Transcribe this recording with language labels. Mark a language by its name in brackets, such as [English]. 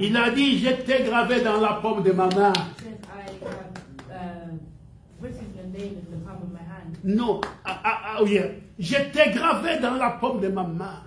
[French] Il a dit, je t'ai gravé dans la paume de ma main. [English] He says, I have written your name in the palm of my hand. Non, yeah. [French] Je t'ai gravé dans la paume de ma main.